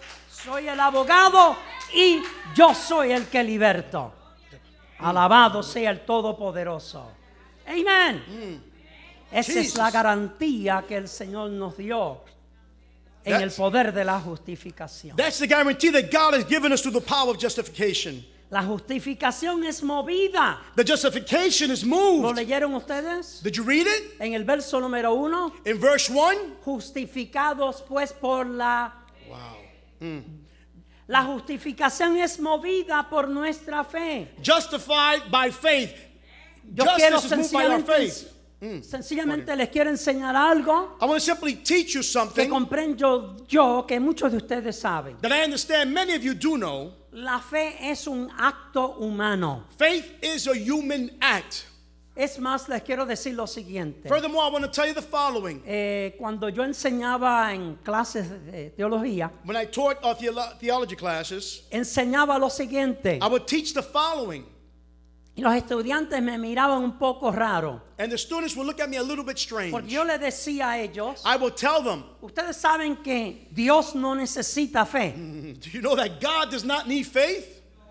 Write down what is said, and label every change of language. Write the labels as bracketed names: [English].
[Spanish] Soy el abogado y yo soy el que liberto. Alabado sea el Todopoderoso. Amen. Esa Jesus. Es la garantía que el Señor nos dio en el poder de la justificación. [English] That's the guarantee that God has given us through the power of justification. [Spanish] La justificación es movida. [English] The justification is moved. [Spanish] ¿Lo leyeron ustedes? [English] Did you read it? [Spanish] En el verso número uno. [English] In verse one. [Spanish] Justificados pues por la... [English] Wow. [Spanish] La justificación es movida por nuestra fe. [English] Justified by faith. [Spanish] Yo quiero sencillamente les quiero enseñar algo. [English] I want to simply teach you something. [Spanish] Que comprendo yo que muchos de ustedes saben. [English] That I understand many of you do know. [Spanish] La fe es un acto humano. [English] Faith is a human act. [Spanish] Es más, les quiero decir lo siguiente. [English] Furthermore, I want to tell you the following. [Spanish] Cuando yo enseñaba en clases de teología, [English] when I taught our theology classes, [Spanish] enseñaba lo siguiente. [English] I would teach the following. [Spanish] Y los estudiantes me miraban un poco raro. [English] And the students would look at me a little bit strange. [Spanish] Porque yo les decía a ellos, [English] I would tell them, [Spanish] ustedes saben que Dios no necesita fe. [English] Do you know that God does not need faith?